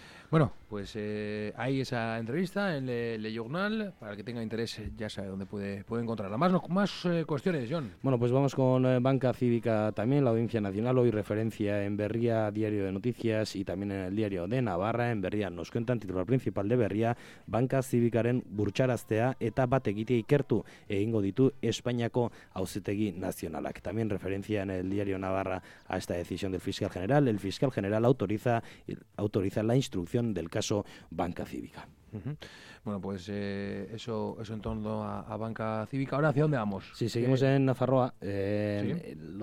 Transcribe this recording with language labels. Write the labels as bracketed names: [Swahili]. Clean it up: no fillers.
[Spanish] Bueno, pues ahí esa entrevista en Le Journal. Para el que tenga interés, ya sabe dónde puede encontrarla. Más cuestiones, John. Bueno, pues vamos con Banca Cívica también. La Audiencia Nacional hoy referencia en Berria, Diario de Noticias, y también en el Diario de Navarra. En Berria nos cuentan, titular principal de Berria, [Basque] Banca Cívicaren burtsaraztea eta bat egitea ikertu egingo ditu Espainiako Auzitegi Nazionalak. [Spanish] También referencia en el Diario Navarra a esta decisión del Fiscal General. El Fiscal General autoriza la instrucción del caso Banca Cívica. Bueno, pues eso en torno a Banca Cívica. Ahora, ¿hacia dónde vamos? Sí, seguimos en Nafarroa. ¿Sí?